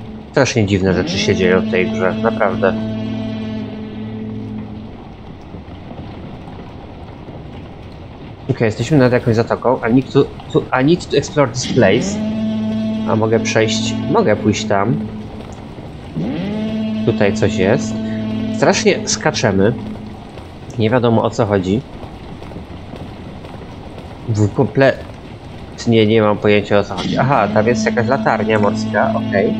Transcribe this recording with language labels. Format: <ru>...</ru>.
<pl>Strasznie dziwne rzeczy się dzieją w tej grze, naprawdę. Okej, okay, jesteśmy nad jakąś zatoką.</pl> <en>I need to explore this place.</en> <pl>A mogę przejść, mogę pójść tam. Tutaj coś jest. Strasznie skaczemy. Nie wiadomo, o co chodzi. Nie mam pojęcia, o co chodzi. Aha, tam jest jakaś latarnia morska, okej.</pl>